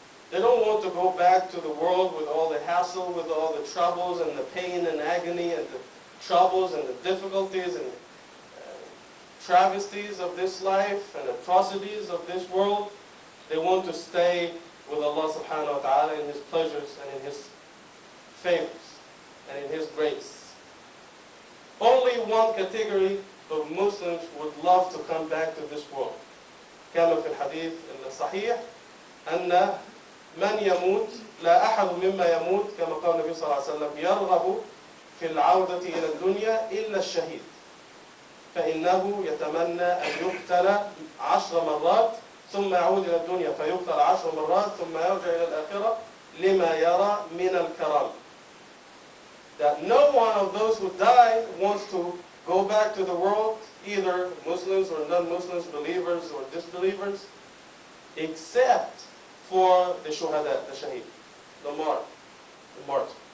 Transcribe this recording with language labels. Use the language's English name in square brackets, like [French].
[English] They don't want to go back to the world with all the hassle, with all the troubles and the pain and agony and the troubles and the difficulties and travesties of this life and atrocities of this world. They want to stay with Allah subhanahu wa ta'ala in His pleasures and in His favors and in His grace. Only one category of Muslims would love to come back to this world. [Arabic] كما في الحديث الصحيح أن من يموت لا أحد مما يموت كما قال النبي صلى الله عليه وسلم يرغب في العودة إلى الدنيا إلا الشهيد فإنه يتمنى أن يقتل 10 مرات ثم يعود إلى الدنيا فيقتل 10 مرات ثم يرجع إلى الآخرة لما يرى من الكرام. [English] That no one of those who die wants to go back to the world, either Muslims or non-Muslims, believers or disbelievers, except for the shuhada, the shaheed, the martyr.